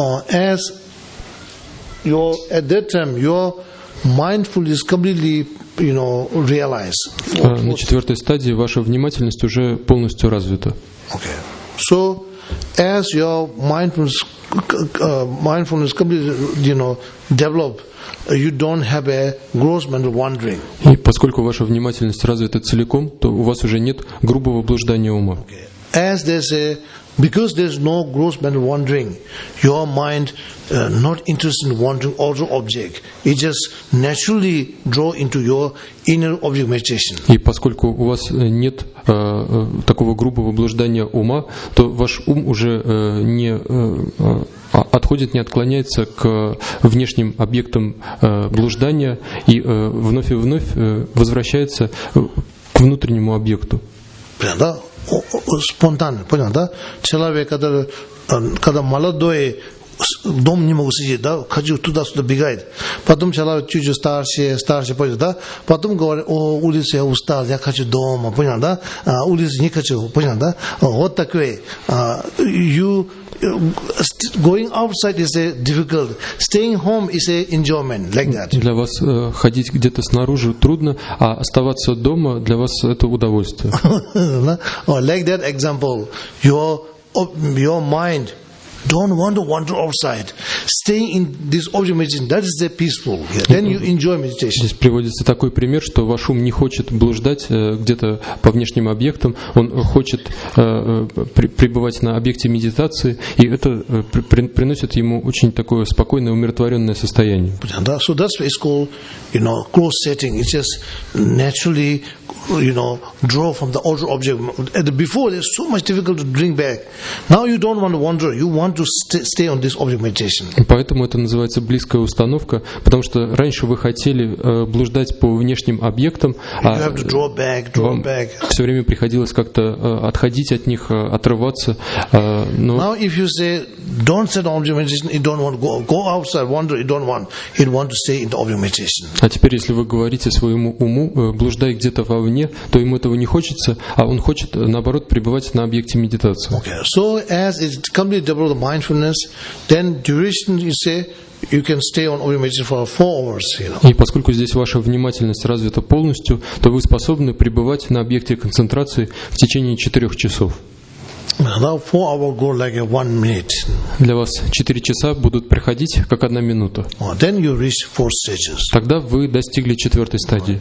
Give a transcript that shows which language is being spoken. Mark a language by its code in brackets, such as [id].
[en] As your at that time your mindfulness completely, you know, realized. [ru] На четвертой стадии ваша внимательность уже полностью развита. [en] Okay, so. As your mindfulness completely, you know, develop, you don't have a gross mental wandering. [ru] И поскольку ваша внимательность развита целиком, то у вас уже нет грубого блуждания ума. [en] Okay. As there's a, because there's no gross mental wandering, your mind not interested in wandering also object. It just naturally draw into your inner object meditation. [ru] И поскольку у вас нет такого грубого блуждания ума, то ваш ум уже не отходит, не отклоняется к внешним объектам блуждания и вновь и вновь возвращается к внутреннему объекту. Да, спонтанно, понял, да? Человек, когда молодой, дом не могу сидеть, да, хочу туда-сюда бегает. Потом человек чуть-чуть старше, понял, да? Потом говорит, о, улица я устал, я хочу дома, понял, да? Улица не хочу, понял, да? Вот такой. [en] You going outside is a difficult. Staying home is a enjoyment, like that. [ru] Для вас ходить где-то снаружи трудно, а оставаться дома для вас это удовольствие. [en] Or like that example, your mind don't want to wander outside. Staying in this object meditation, that is the peaceful. Then you enjoy meditation. [ru] Здесь приводится такой пример, что ваш ум не хочет блуждать где-то по внешним объектам, он хочет пребывать на объекте медитации, и это приносит ему очень такое спокойное, умиротворенное состояние. [en] So that's what it's called, you know, closed setting. It's just naturally, you know, draw from the other object. Before, it's so much difficult to bring back. Now you don't want to wander. You want to stay on this object meditation. [ru] Поэтому это называется близкая установка, потому что раньше вы хотели блуждать по внешним объектам, а вам все время приходилось как-то отходить от них, отрываться. Но [en] now if you say don't set object meditation, you don't want to go outside, wander, you want to stay in the object meditation. [ru] А теперь, если вы говорите своему уму, блуждай где-то вовне, то ему этого не хочется, а он хочет, наоборот, пребывать на объекте медитации. [en] Okay. So as it completely double the mindfulness, then duration you say you can stay on object meditation for 4 hours. You know. [ru] И поскольку здесь ваша внимательность развита полностью, то вы способны пребывать на объекте концентрации в течение 4 часов. [en] Now 4 hours go like a 1 minute. [ru] Для вас 4 часа будут приходить как 1 минута. [en] Oh, then you reach 4 stages. [ru] Тогда вы достигли 4-й стадии.